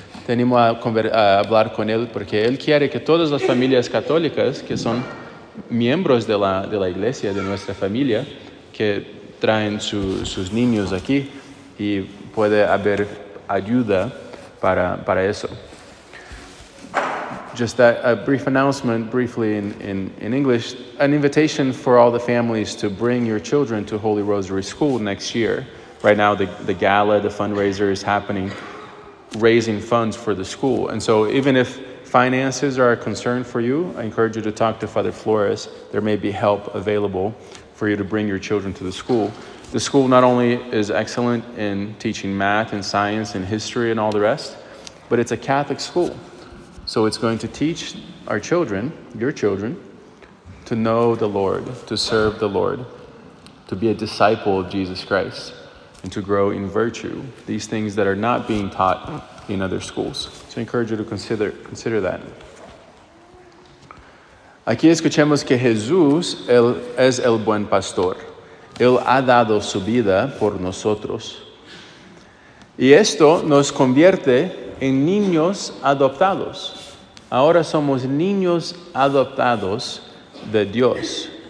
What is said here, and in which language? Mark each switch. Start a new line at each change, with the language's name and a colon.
Spanish: Te animo a hablar con él porque él quiere que todas las familias católicas que son miembros de la iglesia, de nuestra familia, que traen sus niños aquí y puede haber ayuda para eso.
English: Just a brief announcement, briefly in English, an invitation for all the families to bring your children to Holy Rosary School next year. Right now, the gala, the fundraiser is happening, raising funds for the school. And so even if finances are a concern for you, I encourage you to talk to Father Flores. There may be help available for you to bring your children to the school. The school not only is excellent in teaching math and science and history and all the rest, but it's a Catholic school. So it's going to teach our children, your children, to know the Lord, to serve the Lord, to be a disciple of Jesus Christ, and to grow in virtue. These things that are not being taught in other schools. So I encourage you to consider that.
Spanish: Aquí escuchemos que Jesús es el buen pastor. Él ha dado su vida por nosotros. Y esto nos convierte en niños adoptados. Ahora somos niños adoptados de Dios.